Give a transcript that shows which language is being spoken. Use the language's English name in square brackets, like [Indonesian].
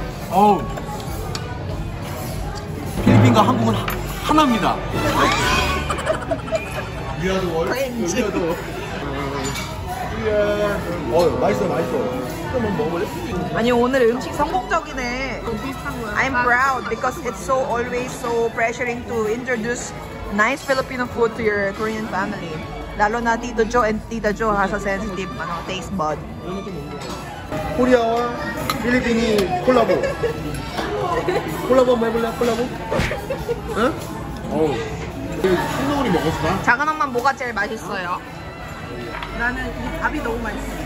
[Korean] 어우. 필리핀과 한국은 하나입니다. 미안해. 어, 맛있어, 맛있어. 한번 먹어볼래? 아니, 오늘 음식 성공적이네. [English] I'm proud because it's so always so pressuring to introduce nice Filipino food to your Korean family. [Korean] 나로 나 [English] Tito Joe and Tita Joe has a sensitive taste bud. [Korean] 코리아와 필리핀이 콜라보. 콜라보 한번 해볼래? 콜라보? 응? 어. 우리 먹었어? 작은 엄마 뭐가 제일 맛있어요? 나는 이 밥이 너무 맛있어.